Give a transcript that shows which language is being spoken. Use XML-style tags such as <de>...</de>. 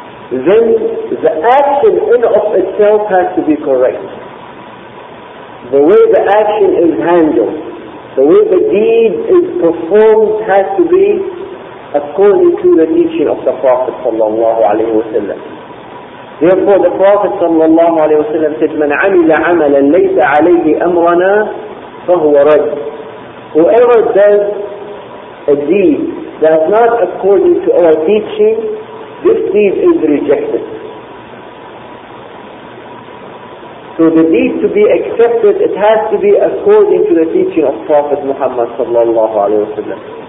<en>Then the action in of itself has to be correct. The way the action is handled, the way the deed is performed has to be according to the teaching of the Prophet sallallahu alaihi wasallam. Therefore, the Prophet sallallahu alaihi wasallam said,</en> <ar>"من عمل عملا ليس عليه أمرنا فهو رد."</ar> <en>Whoever does a deed that is not according to our teaching, this deed is rejected. So the deed to be accepted, it has to be according to the teaching of Prophet Muhammad sallallahu alaihi wasallam.</en>